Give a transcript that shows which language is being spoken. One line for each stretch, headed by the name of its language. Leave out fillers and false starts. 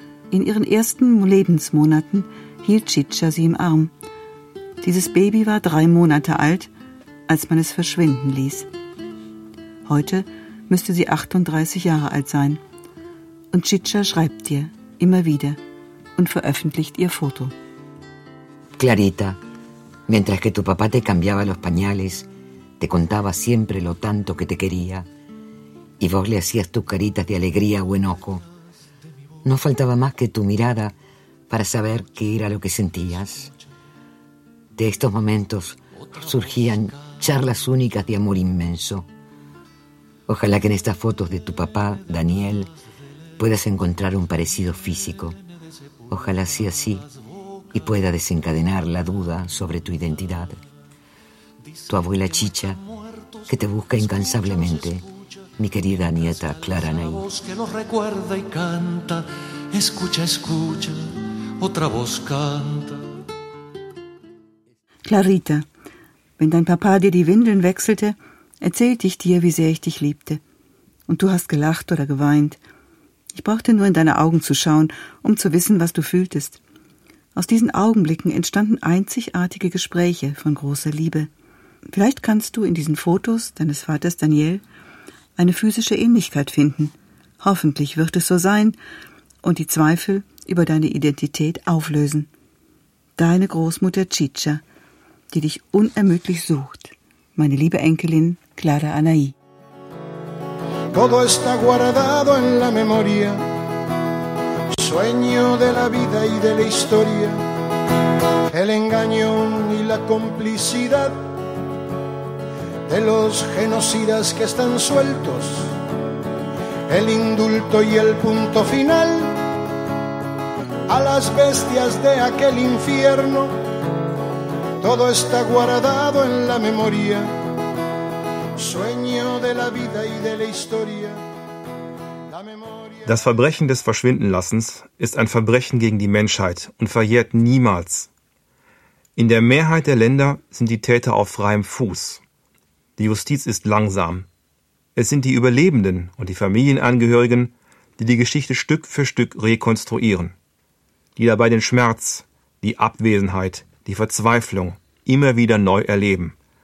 German: In ihren ersten Lebensmonaten hielt Chicha sie im Arm. Dieses Baby war 3 Monate alt, als man es verschwinden ließ. Heute müsste sie 38 Jahre alt sein. Und Chicha schreibt ihr immer wieder und veröffentlicht ihr Foto.
Spanish: Clarita. Mientras que tu papá te cambiaba los pañales, te contaba siempre lo tanto que te quería, y vos le hacías tus caritas de alegría o enojo, no faltaba más que tu mirada para saber qué era lo que sentías. De estos momentos surgían charlas únicas de amor inmenso. Ojalá que en estas fotos de tu papá, Daniel, puedas encontrar un parecido físico. Ojalá sea así. Y pueda desencadenar la duda sobre tu identidad. Tu abuela Chicha, que te busca incansablemente, mi querida nieta Clara Anaí. Otra voz que nos recuerda y canta, escucha, escucha, otra voz canta.
German: Clarita, wenn dein Papa dir die Windeln wechselte, erzählte ich dir, wie sehr ich dich liebte. Und du hast gelacht oder geweint. Ich brauchte nur in deine Augen zu schauen, um zu wissen, was du fühltest. Aus diesen Augenblicken entstanden einzigartige Gespräche von großer Liebe. Vielleicht kannst du in diesen Fotos deines Vaters Daniel eine physische Ähnlichkeit finden. Hoffentlich wird es so sein und die Zweifel über deine Identität auflösen. Deine Großmutter Chicha, die dich unermüdlich sucht. Meine liebe Enkelin Clara Anaí.
Spanish: Todo está guardado en la memoria, sueño de la vida y de la historia, el engaño y la complicidad de los genocidas que están sueltos, el indulto y el punto final a las bestias de aquel infierno. Todo está guardado en la memoria, sueño de la vida y de la historia.
German: Das Verbrechen des Verschwindenlassens ist ein Verbrechen gegen die Menschheit und verjährt niemals. In der Mehrheit der Länder sind die Täter auf freiem Fuß. Die Justiz ist langsam. Es sind die Überlebenden und die Familienangehörigen, die die Geschichte Stück für Stück rekonstruieren, die dabei den Schmerz, die Abwesenheit, die Verzweiflung immer wieder neu erleben.